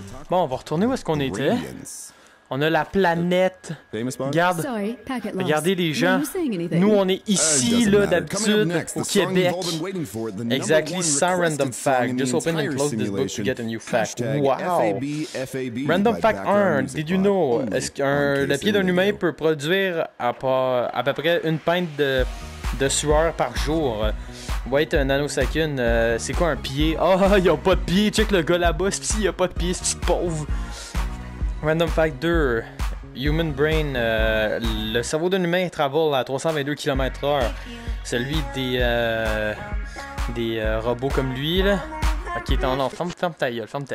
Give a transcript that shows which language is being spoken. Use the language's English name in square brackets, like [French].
[French] Bon, on va retourner où est-ce qu'on était? On a la planète. Regarde, regardez les gens. Nous, on est ici, là, d'habitude, au Québec. [English] Exactly, sans random fact. Just open and close this book to get a new fact. Wow. Random fact 1. Did you know? [French] Est-ce que le pied d'un humain peut produire à peu près une pinte de sueur par jour? [English] Wait a nanosecond. [French] C'est quoi un pied? Oh, ils ont pas de pied. Check le gars là-bas. Il y a pas de pied, ce petit pauvre. [English] Random fact 2, human brain, [French] le cerveau d'un humain travaille à 322 km/h, celui des robots comme lui là, ok attends, non, ferme ta gueule,